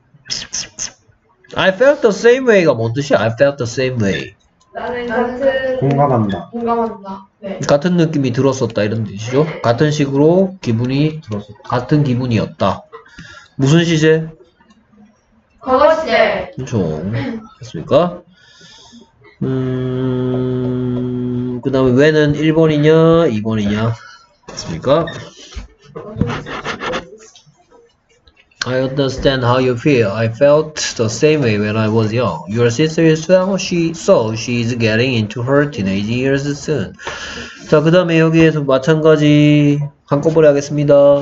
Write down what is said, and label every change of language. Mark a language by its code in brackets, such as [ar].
[en] 음... I felt the same way가 [ko] 뭔 뜻이야? [en] I felt the same way. [ko] 나는 같은 공감한다. 네. 같은 느낌이 들었었다 이런 뜻이죠. 네. 같은 식으로 기분이 들었었다. 같은 기분이었다. 무슨 시제? 과거 시제. 그렇죠. 됐습니까? 그 다음에 왜는 1번이냐 2번이냐 됐습니까? [en] I understand how you feel. I felt the same way when I was young. Your sister is well, she is getting into her teenage years soon. [ko] 자, 그 다음에 여기에서 마찬가지 한꺼번에 하겠습니다.